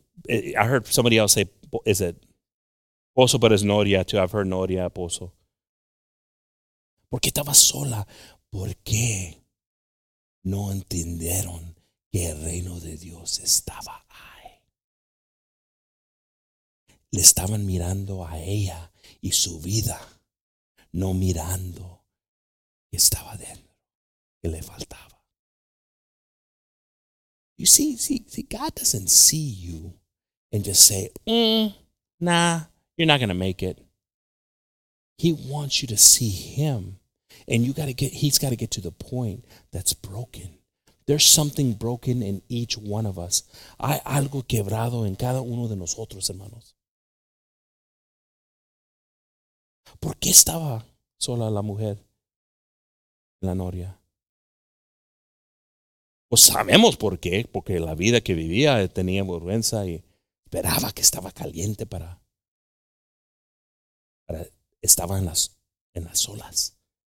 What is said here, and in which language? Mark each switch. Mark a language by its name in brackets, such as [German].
[English] I heard somebody else say, is it Pozo, but it's Noria too. I've heard Noria, Pozo. [Spanish] ¿Por qué estaba sola? ¿Por qué no entendieron que el reino de Dios estaba ahí? Le estaban mirando a ella y su vida, no mirando que estaba dentro, que le faltaba. [English] You see, God doesn't see you and just say, nah, you're not going to make it. He wants you to see him. And he's got to get to the point that's broken. There's something broken in each one of us. [Spanish] Hay algo quebrado en cada uno de nosotros, hermanos. ¿Por qué estaba sola la mujer en la noria? Pues sabemos por qué, porque la vida que vivía tenía vergüenza y esperaba que estaba caliente para estaba en las olas.